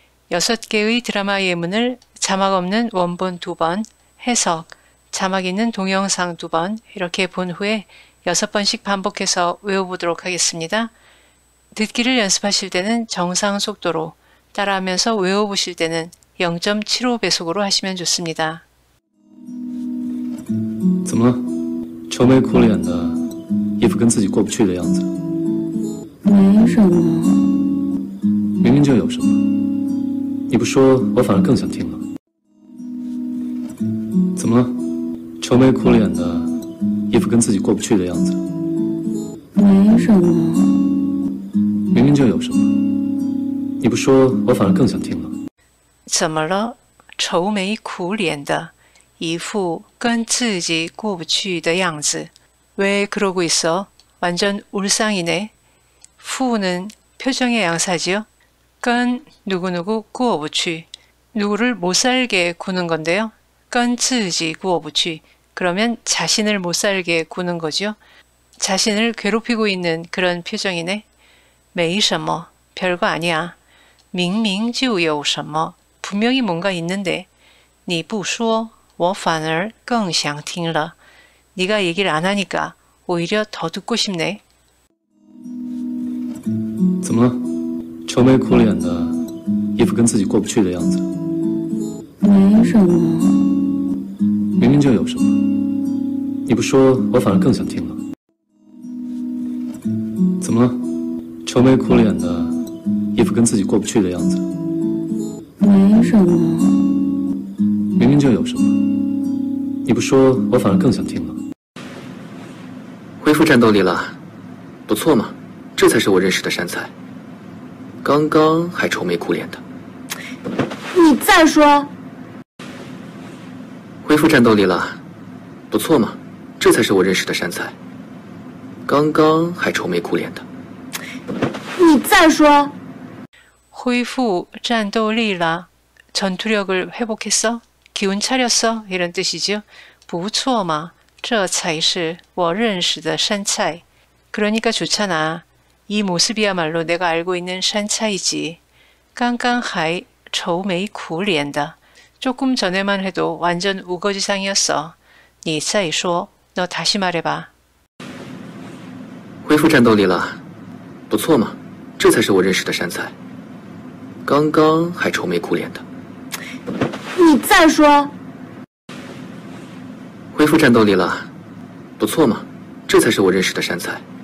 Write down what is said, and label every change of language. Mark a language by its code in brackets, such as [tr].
[ko] 여섯 개의 드라마 예문을 자막 없는 원본 두 번, 해석, 자막 있는 동영상 두 번, 이렇게 본 후에 여섯 번씩 반복해서 외워보도록 하겠습니다. 듣기를 연습하실 때는 정상 속도로, 따라하면서 외워보실 때는 0.75배속으로 하시면 좋습니다. [zh] 怎么了？愁眉苦脸的，一副跟自己过不去的样子。没什么。明明就有什么，你不说，我反而更想听了。怎么了？愁眉苦脸的，一副跟自己过不去的样子。没什么。明明就有什么，你不说，我反而更想听了。怎么了？愁眉苦脸的。 이후 跟自己过不去的样子， [ko] 왜 그러고 있어? 완전 울상이네. 후는 표정의 양사지요. 跟 누구누구 [zh] 过不去, [ko] 누구를 못 살게 구는 건데요. [zh] 跟自己过不去, [ko] 그러면 자신을 못 살게 구는 거죠. 자신을 괴롭히고 있는 그런 표정이네. [zh] 没什么, [ko] 별거 아니야. [zh] 明明就有什么, [ko] 분명히 뭔가 있는데. [zh] 你不说, 我反而更想听了. [ko] 네가 얘기를 안 하니까 오히려 더 듣고 싶네. [zh] 怎么了？愁眉苦脸的，一副跟自己过不去的样子。没什么。明明就有什么，你不说，我反而更想听了。怎么了？愁眉苦脸的，一副跟自己过不去的样子。没什么。明明就有什么，你不说，我反而更想听了。恢复战斗力了，不错嘛，这才是我认识的山菜。刚刚还愁眉苦脸的，你再说。恢复战斗力了，不错嘛，这才是我认识的山菜。刚刚还愁眉苦脸的，你再说。恢复战斗力了， [ko] 전투력을회복했어，기운차렸어，이런뜻이죠。 [zh] 不错嘛，这才是我认识的山菜。 [ko] 그러니까좋잖아。 이 모습이야말로 내가 알고 있는 산차이지. [zh] 깡깡하이 저우메이 쿠리엔다. [ko] 조금 전에만 해도 완전 우거지상이었어. [zh] 니 사이쇼, [ko] 너 다시 말해봐. [zh] 恢复战斗力了，不错嘛，这才是我认识的山菜。刚刚还愁眉苦脸的。你再说。恢复战斗力了，不错嘛，这才是我认识的山菜。